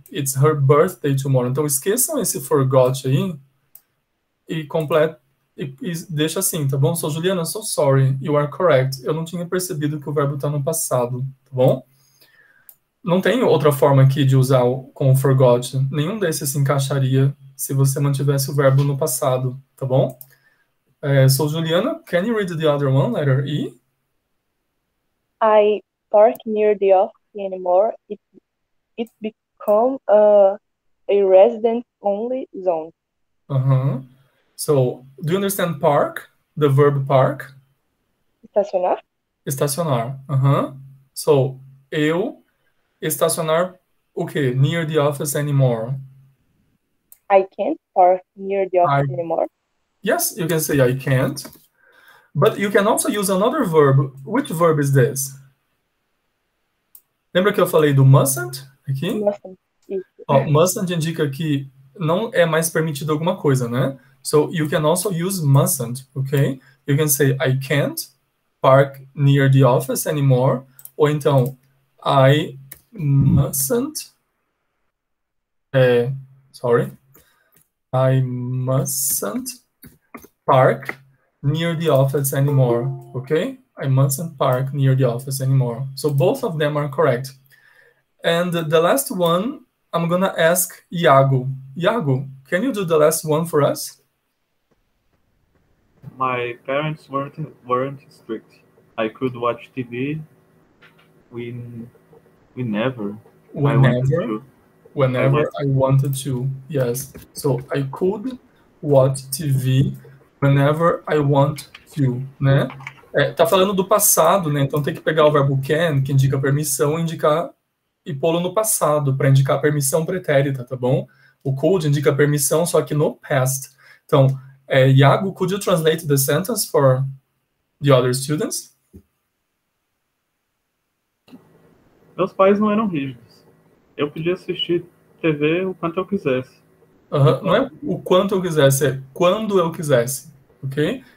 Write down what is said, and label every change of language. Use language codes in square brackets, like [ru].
[en] It's her birthday tomorrow. [pt] Então esqueçam esse forgot aí e completa e deixa assim, tá bom? Sou Juliana, [en] so sorry. You are correct. [pt] Eu não tinha percebido que o verbo tá no passado, tá bom? Não tem outra forma aqui de usar com o forgot. Nenhum desses se encaixaria se você mantivesse o verbo no passado, tá bom? Sou Juliana. [en] Can you read the other one, letter E? I park near the office anymore. It become a resident-only zone. Uh-huh. So, do you understand park? The verb park? [pt] Estacionar. Estacionar. [en] Uh-huh. So, [pt] eu estacionar o quê? [en] Near the office anymore. I can't park near the office anymore. Yes, you can say I can't. But you can also use another verb. Which verb is this? [pt] Lembra que eu falei do mustn't aqui? [en] Mustn't. [pt] Oh, mustn't indica que não é mais permitido alguma coisa, né? [en] So you can also use mustn't, ok? You can say I can't park near the office anymore. [pt] Ou então, [en] I mustn't. Sorry. I mustn't park near the office anymore, ok? I mustn't park near the office anymore. So both of them are correct. And the last one, I'm gonna ask Iago. Iago, can you do the last one for us? My parents weren't strict. I could watch TV whenever. Whenever I wanted to, yes. So I could watch TV whenever I want to, né? [pt] Tá falando do passado, né? Então tem que pegar o verbo can, que indica permissão, e pô-lo no passado, para indicar permissão pretérita, tá bom? O could indica permissão, só que no past. Então, [en] Iago, could you translate the sentence for the other students? [pt] Meus pais não eram rígidos. Eu podia assistir TV o quanto eu quisesse. Uhum. Não é o quanto eu quisesse, é quando eu quisesse, ok?